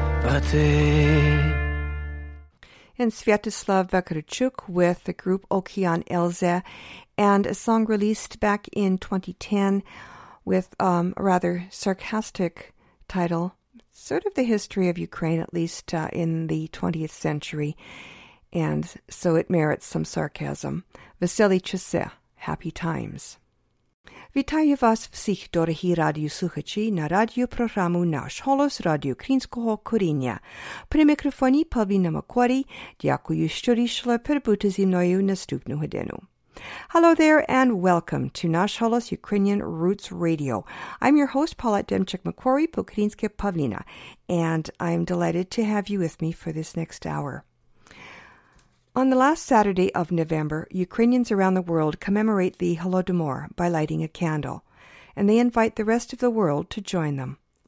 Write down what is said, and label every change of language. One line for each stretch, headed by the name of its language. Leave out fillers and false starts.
English: And Sviatoslav Vakarchuk with the group Okean Elze, and a song released back in 2010 with a rather sarcastic title, sort of the history of Ukraine, at least in the 20th century, and so it merits some sarcasm. Veseli Chase, Happy Times.
Ukrainian: Вітаю вас всіх, дорогі радіослухачі, на радіопрограму «Наш голос» Радіо Українського коріння. При мікрофоні Павліна Макуарі. Дякую, що рішили перебути зі мною наступну годину.
English: Hello there and welcome to Nash Holos Ukrainian Roots Radio. I'm your host, Paulette Demchuk-Makori, Pokrinske Pavlina, and I'm delighted to have you with me for this next hour. On the last Saturday of November, Ukrainians around the world commemorate the Holodomor by lighting a candle, and they invite the rest of the world to join them.